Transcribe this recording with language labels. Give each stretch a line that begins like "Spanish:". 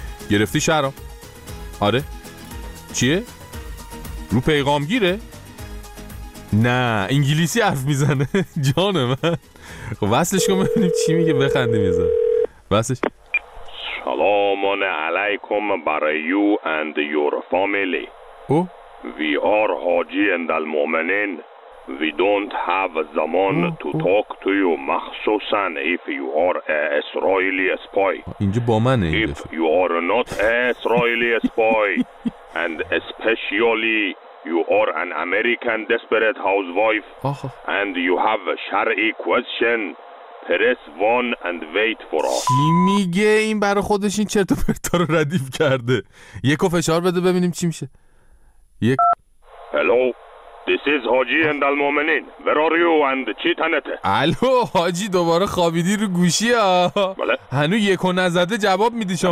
Persian: گرفتی شهرام؟ آره. چیه؟ رو پیغام گیره؟ نه انگلیسی حرف میزنه. جان من خب وصلش کن ببینیم چی میگه، بخندیم یه ذره. وصلش.
English: سلام علیکم
Persian: برای
English: You and your family. Oh we are حاجی اندل مؤمنین. We don't have
Persian: زمان
English: to talk to you
Persian: مخصوصا
English: if you are an Israeli spy.
Persian: اینجا با منه.
English: If you are not an Israeli spy and especially you are an American desperate housewife and you have a
Persian: شرعی
English: question press 1 and wait for us.
Persian: چی میگه این؟ برای خودش این چرت و پرتا رو ردیف کرده. یکو فشار بده ببینیم چی میشه. یک.
English: Hello. This is Haji and Al Mu'minin. Where are you and
Persian: چی تنته؟ الو حاجی دوباره خوابیدی رو گوشی ها؟ بله. هنو یک و نزده جواب میدی شما؟